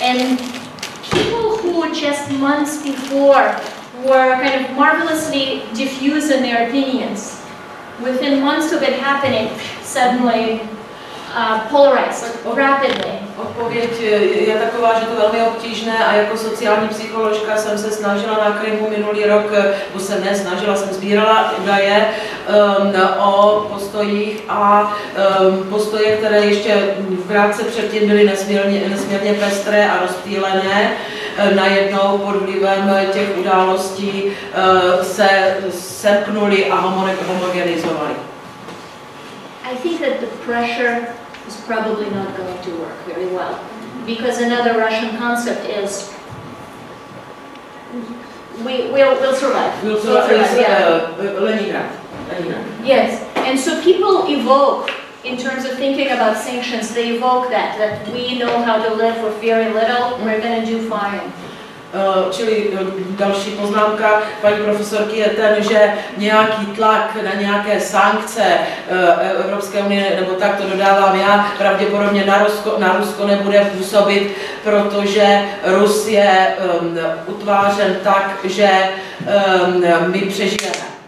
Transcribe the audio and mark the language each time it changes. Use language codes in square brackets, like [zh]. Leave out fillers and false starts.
[en] And people who just months before were kind of marvelously diffuse in their opinions, within months of it happening, suddenly polarized rapidly. [cs] Odpověď je taková, že to velmi obtížné a jako sociální psycholožka jsem se snažila na Krymu minulý rok, bo se ne, snažila jsem, sbírala údaje o postojích a postoje, které ještě v krátce předtím byly nesmírně pestré a rozptýlené, najednou pod vlivem těch událostí se sepnuly a homogenizovaly. [en] I think that the pressure is probably not going to work very well, because another Russian concept is we'll survive. We'll survive. Leningrad. Yes, and so people evoke in terms of thinking about sanctions. They evoke that we know how to live with very little. Mm-hmm. We're going to do fine. [cs] Čili další poznámka paní profesorky je ten, že nějaký tlak na nějaké sankce Evropské unie, nebo tak to dodávám já, pravděpodobně na Rusko nebude působit, protože Rus je utvářen tak, že my přežijeme.